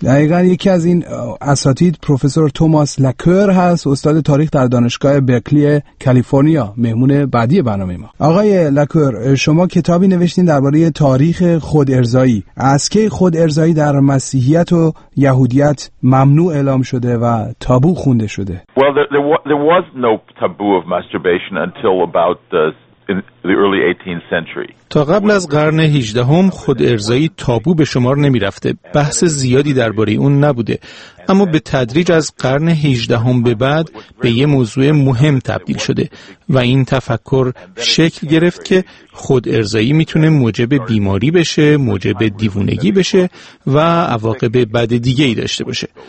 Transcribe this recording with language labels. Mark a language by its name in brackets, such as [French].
[Persian] دقیقاً یکی از این اساتید پروفسور توماس لکر هست، استاد تاریخ در دانشگاه برکلی کالیفرنیا، مهمون بعدی برنامه ما. آقای لکر، شما کتابی نوشتین درباره تاریخ خودارضایی، از کی خودارضایی در مسیحیت و یهودیت ممنوع اعلام شده و تابو خونده شده؟ [English] Well, there was no taboo of masturbation until about the early 18th century. [Persian] تا قبل از قرن 18 هم خود ارضایی تابو به شمار نمی رفته، بحث زیادی درباره اون نبوده، اما به تدریج از قرن 18 هم به بعد به یه موضوع مهم تبدیل شده و این تفکر شکل گرفت که خود ارضایی میتونه موجب بیماری بشه، موجب دیوونگی بشه و عواقب بد دیگه ای داشته باشه.